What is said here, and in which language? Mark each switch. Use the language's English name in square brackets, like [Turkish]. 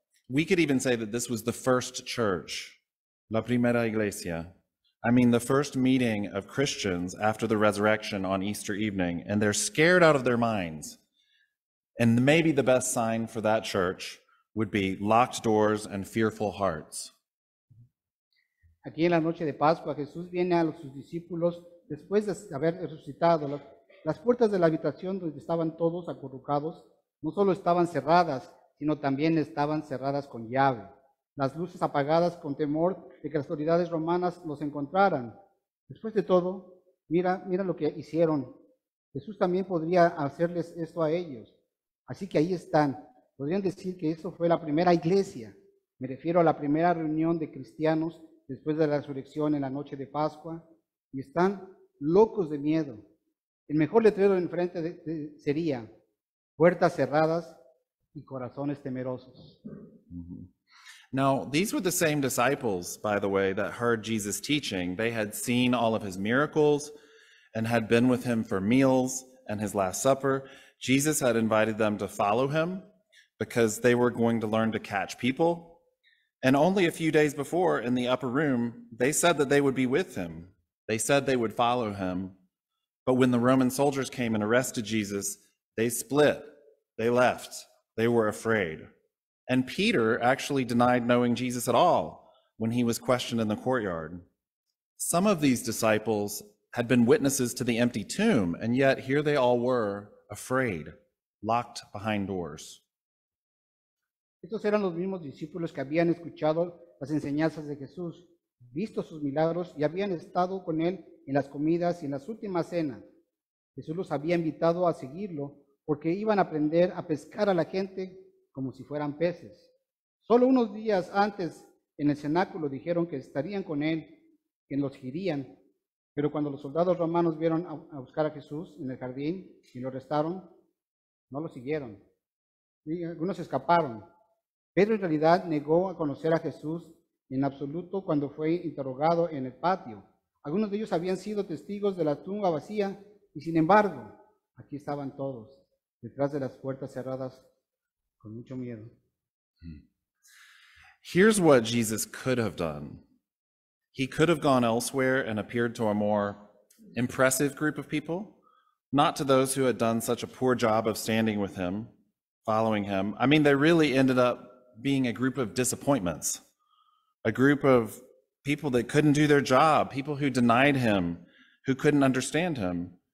[English] We could even say that this was the first church, [Spanish] la primera iglesia. [English] I mean, the first meeting of Christians after the resurrection on Easter evening, and they're scared out of their minds. And maybe the best sign for that church would be locked doors and fearful hearts. [Spanish] Aquí en la noche de Pascua, Jesús viene a sus discípulos después de haber resucitado. Las puertas de la habitación donde estaban todos acurrucados no solo estaban cerradas, sino también estaban cerradas con llave. Las luces apagadas con temor de que las autoridades romanas los encontraran. Después de todo, mira lo que hicieron. Jesús también podría hacerles esto a ellos. Así que ahí están. Podrían decir que esto fue la primera iglesia. Me refiero a la primera reunión de cristianos después de la resurrección en la noche de Pascua, y están locos de miedo. El mejor letrero enfrente sería puertas cerradas y corazones temerosos. Mm-hmm. [English] Now, these were the same disciples, by the way, that heard Jesus teaching. They had seen all of his miracles and had been with him for meals and his Last Supper. Jesus had invited them to follow him because they were going to learn to catch people. And only a few days before, in the upper room, they said that they would be with him. They said they would follow him. But when the Roman soldiers came and arrested Jesus, they split. They left. They were afraid. And Peter actually denied knowing Jesus at all when he was questioned in the courtyard. Some of these disciples had been witnesses to the empty tomb, and yet here they all were, afraid, locked behind doors. [Spanish] Estos eran los mismos discípulos que habían escuchado las enseñanzas de Jesús, visto sus milagros y habían estado con él en las comidas y en las últimas cenas. Jesús los había invitado a seguirlo porque iban a aprender a pescar a la gente como si fueran peces. Solo unos días antes, en el cenáculo, dijeron que estarían con él, que los seguirían. Pero cuando los soldados romanos vieron a buscar a Jesús en el jardín y lo arrestaron, no lo siguieron. Y algunos escaparon. Pedro en realidad negó a conocer a Jesús en absoluto cuando fue interrogado en el patio. Algunos de ellos habían sido testigos de la tumba vacía y sin embargo, aquí estaban todos, detrás de las puertas cerradas, con mucho miedo. [English] Here's what Jesus could have done. He could have gone elsewhere and appeared to a more impressive group of people, not to those who had done such a poor job of standing with him, following him. I mean, they really ended up being a group of disappointments, a group of people that couldn't do their job, people who denied him, who couldn't understand him.